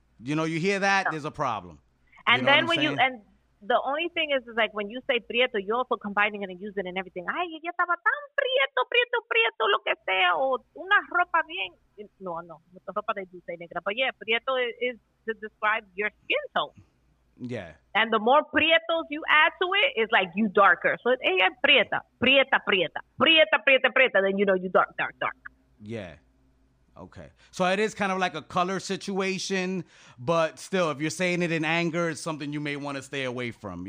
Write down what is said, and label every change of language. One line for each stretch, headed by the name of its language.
English: You know, you hear that, there's a problem. And the only thing is like when you say Prieto, you're also combining it and using it and everything.
Spanish: Ay, ella estaba tan Prieto, lo que sea, o una ropa bien.
English: No, the ropa they do say negra. But yeah, Prieto is to describe your skin tone. Yeah. And the more Prietos you add to it, it's like you darker. So, hey, I'm Prieta. Then you know you dark. Yeah. Okay. So it is kind of like a color situation, but still, if you're saying it in anger, it's something you may want to stay away from.